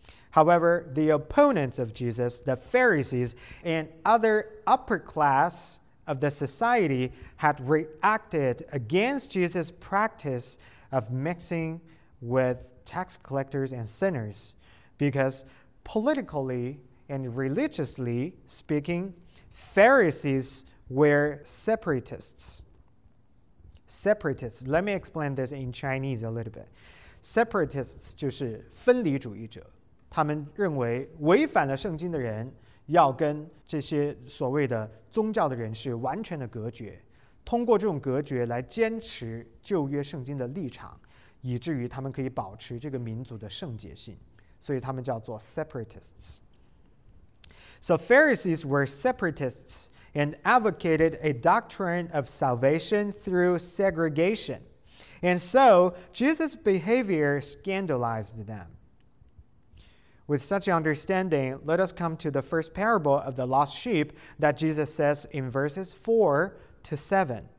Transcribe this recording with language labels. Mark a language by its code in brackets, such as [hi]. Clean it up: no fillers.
[en] However, the opponents of Jesus, the Pharisees and other upper class of the society, had reacted against Jesus' practice of mixing with tax collectors and sinners because politically and religiously speaking, Pharisees were separatists. Separatists, let me explain this in Chinese a little bit. [zh] Separatists 就是分离主义者, 他们认为违反了圣经的人, 要跟这些所谓的宗教的人士完全的隔绝, 通过这种隔绝来坚持旧约圣经的立场, 以至于他们可以保持这个民族的圣洁性。所以他们叫做separatists. [en] So Pharisees were separatists and advocated a doctrine of salvation through segregation. And so Jesus' behavior scandalized them. With such understanding, let us come to the first parable of the lost sheep that Jesus says in verses 4 to 7.